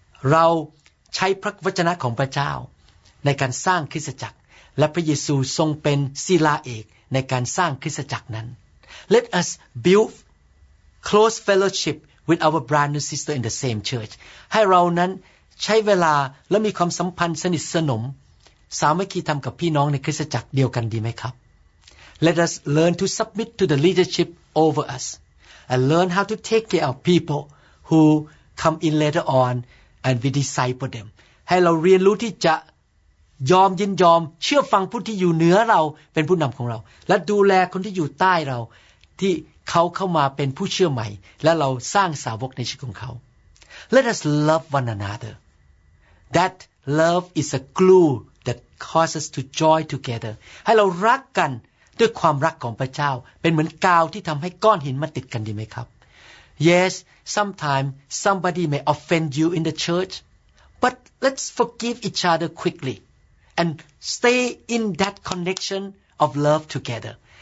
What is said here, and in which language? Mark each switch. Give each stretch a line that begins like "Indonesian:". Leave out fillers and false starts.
Thai: เราใช้พระวจนะของพระเจ้าในการสร้างคริสตจักรและพระเยซูทรงเป็นศิลาเอกในการสร้างคริสตจักรนั้น
English: Let us build close fellowship with our brother and sister in the same church.
Thai: ให้เรานั้นใช้เวลาและมีความสัมพันธ์สนิทสนมสามัคคีธรรมกับพี่น้องในคริสตจักรเดียวกันดีไหมครับ
English: Let us learn to submit to the leadership over us. And learn how to take care of people who come in later on and we disciple them.
Thai: ให้เราเรียนรู้ที่จะยอมยินยอมเชื่อฟังผู้ที่อยู่เหนือเราเป็นผู้นำของเราและดูแลคนที่อยู่ใต้เราที่เขาเข้ามาเป็นผู้เชื่อใหม่และเราสร้างสาวกในชีวิตของเขา
English: Let us love one another. That love is a glue that causes to join together.
Thai: ให้เรารักกันด้วยความรักของพระเจ้าเป็นเหมือนกาวที่ทำให้ก้อนหินมาติดกันดีไหมครับ
English: Yes, sometimes somebody may offend you in the church, but let's forgive each other quickly and stay in that connection of love together.